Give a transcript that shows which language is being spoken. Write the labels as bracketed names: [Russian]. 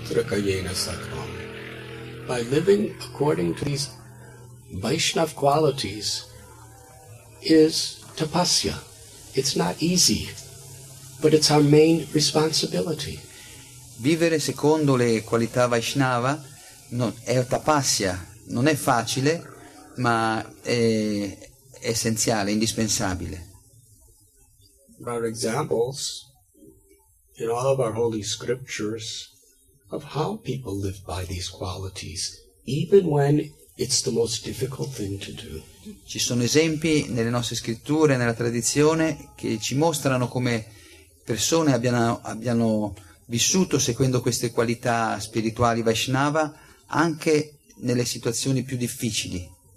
[English] By living according to these Vaishnava qualities is tapasya. It's not easy, but it's our main responsibility. [Italian] Vivere secondo le qualità Vaishnava non è tapasya, non è facile, ma è essenziale, indispensabile. [English] There are examples in all of our holy scriptures of how people live by these qualities, even when it's the most difficult thing to do. [Italian] Ci sono esempi nelle nostre scritture, nella tradizione, che ci mostrano come persone abbiano vissuto seguendo queste qualità spirituali Vaishnava anche nelle situazioni più difficili.